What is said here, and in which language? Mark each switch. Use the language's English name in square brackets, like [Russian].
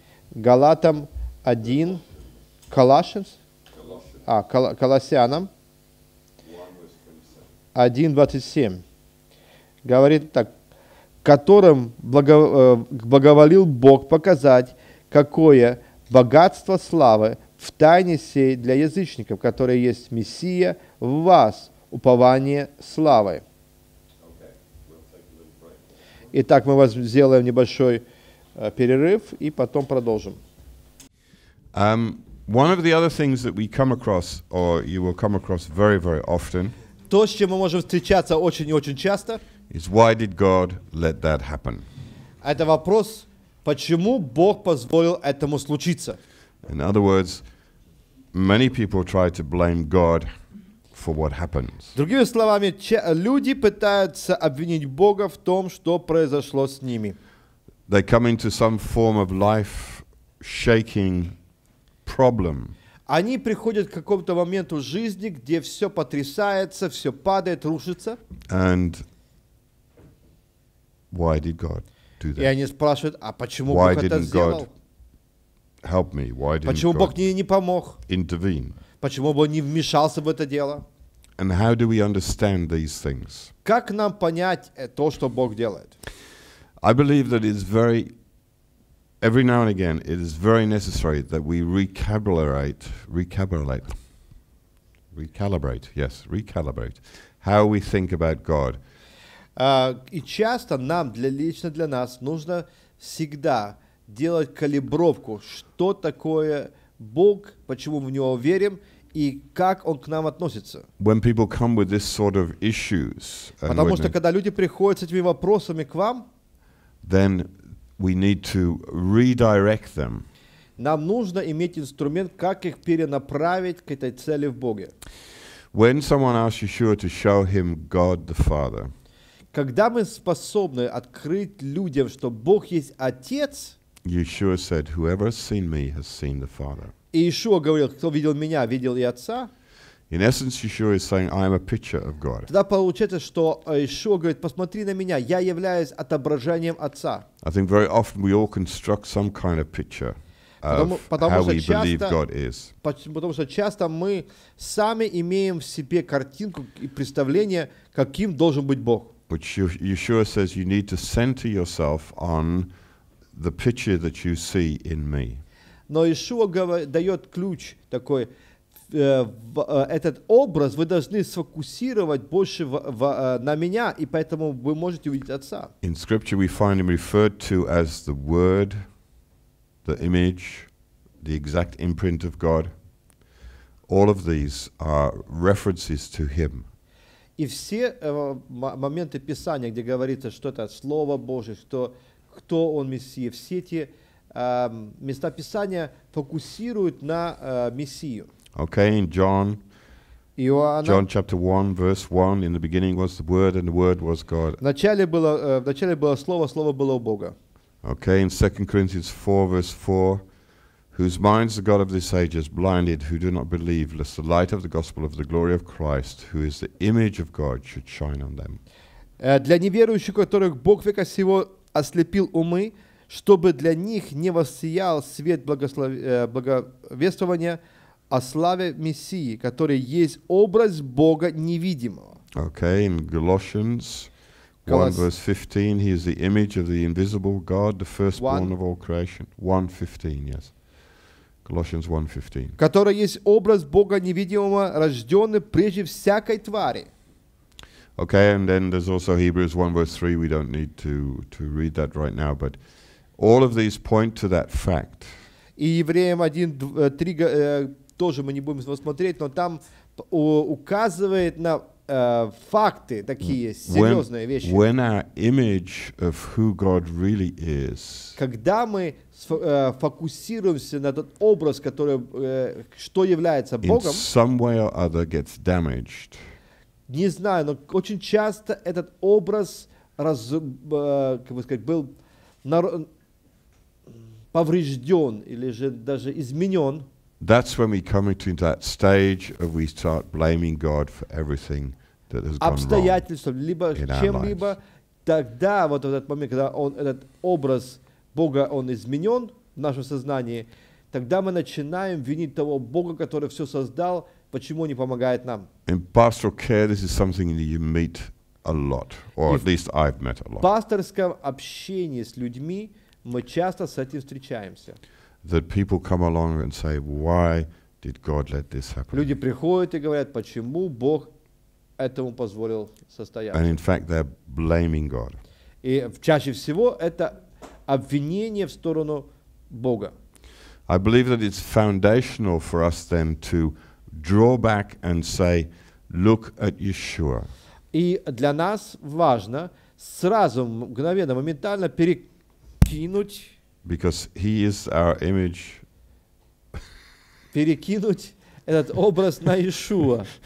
[Russian] Галатам 1, Колоссянам, Колоссянам 1:27 говорит так: которым благоволил Бог показать, какое богатство славы в тайне сей для язычников, которое есть Мессия в вас, упование славы. [English] Okay. We'll [Russian] Итак, мы вас сделаем небольшой перерыв и потом продолжим. [English] One of the other things that we come across, or you will come across very, very often, [Russian] то, с чем мы можем встречаться очень и очень часто, [English] is why did God let that happen? [Russian] Это вопрос. Почему Бог позволил этому случиться? [English] In other words, many people try to blame God for what happens. [Russian] Другими словами, люди пытаются обвинить Бога в том, что произошло с ними. [English] They come into some form of life-shaking problem. [Russian] Они приходят к какому-то моменту жизни, где все потрясается, все падает, рушится. [English] And why did God? [Russian] И они спрашивают, а почему Бог это сделал? [English] God help me? Why didn't [Russian] почему [English] God [Russian] Бог не помог? [English] Intervene? [Russian] Почему Бог не вмешался в это дело? [English] And how do we understand these things? [Russian] Как нам понять то, что Бог делает? [English] I believe that it's very, every now and again, it is very necessary that we recalibrate how we think about God. [Russian] И часто нам, лично для нас, нужно всегда делать калибровку, что такое Бог, почему в Него верим и как Он к нам относится. [English] When people come with this sort of issues, [Russian] потому что когда люди приходят с этими вопросами к вам, [English] then we need to redirect them. [Russian] Нам нужно иметь инструмент, как их перенаправить к этой цели в Боге. [English] When someone asks Yeshua to show him God the Father, [Russian] когда мы способны открыть людям, что Бог есть Отец, [English] Yeshua said, whoever has seen me has seen the Father. [Russian] И Иешуа говорил, кто видел меня, видел и Отца. [English] In essence, Yeshua is saying, I am a picture of God. [Russian] Тогда получается, что Иешуа говорит, посмотри на меня, я являюсь отображением Отца. [English] I think very often we all construct some kind of picture [Russian] Потому что часто мы сами имеем в себе картинку и представление, каким должен быть Бог. [English] Which Yeshua says you need to center yourself on the picture that you see in me. [Russian] Но Иешуа дает ключ такой, этот образ вы должны сфокусировать больше на меня, и поэтому вы можете увидеть Отца. [English] In Scripture we find him referred to as the Word, the image, the exact imprint of God. All of these are references to him. [Russian] И все моменты Писания, где говорится, что это Слово Божие, что кто он Мессия, все эти места Писания фокусируют на Мессию. [English] Okay, in John, [Russian] Иоанна, [English] John chapter 1, verse 1, in the beginning was the Word, and the Word was God. [Russian] В начале было Слово, Слово было у Бога. [English] Okay, in 2 Corinthians 4, verse 4, whose minds the God of this age has blinded, who do not believe, lest the light of the gospel of the glory of Christ, who is the image of God, should shine on them. [Russian] Для неверующих, которых Бог века сего ослепил умы, чтобы для них не воссиял свет благовествования о славе Мессии, который есть образ Бога невидимого. [English] Okay, in Colossians 1 verse 15, he is the image of the invisible God, the firstborn of all creation. 1:15, yes. Colossians 1:15. [Russian] Который есть образ Бога невидимого, рожденный прежде всякой твари. [English] Okay, and then there's also Hebrews 1 verse 3. We don't need to read that right now, but all of these point to that fact. [Russian] И Евреям 1:3 тоже мы не будем его смотреть, но там указывает на факты такие серьезные вещи. [English] When our image of who God really is. [Russian] Когда мы фокусируемся на тот образ, который что является Богом. [English] In some way or other gets damaged. [Russian] Не знаю, но очень часто этот образ как бы сказать, был поврежден или же даже изменен. [English] That's when we come into that stage of we start blaming God for everything that has gone wrong. [Russian] Либо чем-либо, тогда вот этот момент, когда этот образ Бога он изменен в нашем сознании, тогда мы начинаем винить того Бога, который все создал, почему не помогает нам. [English] In pastoral care, this is something that you meet a lot, or at least I've met a lot. [Russian] В пасторском общении с людьми мы часто с этим встречаемся. [English] That people come along and say, why did God let this happen? [Russian] Люди приходят и говорят, почему Бог этому позволил состояться? [English] And in fact, they're blaming God. [Russian] И чаще всего это обвинение в сторону Бога. [English] I believe that it's foundational for us then to draw back and say, look at Yeshua. [Russian] И для нас важно сразу, мгновенно, моментально перекинуть. [English] Because he is our image. [Russian] Перекинуть этот образ на Иешуа.